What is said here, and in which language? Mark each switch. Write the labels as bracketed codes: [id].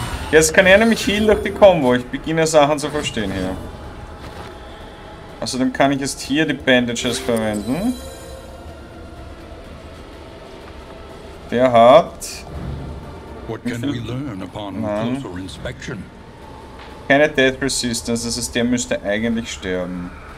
[de] Jetzt kann er nämlich healen durch die Combo. Ich beginne Sachen zu verstehen hier. Außerdem kann ich jetzt hier die Bandages verwenden. Der hat... [en] What can we learn upon closer inspection? [de] Keine Death Resistance, das heißt, der müsste eigentlich sterben.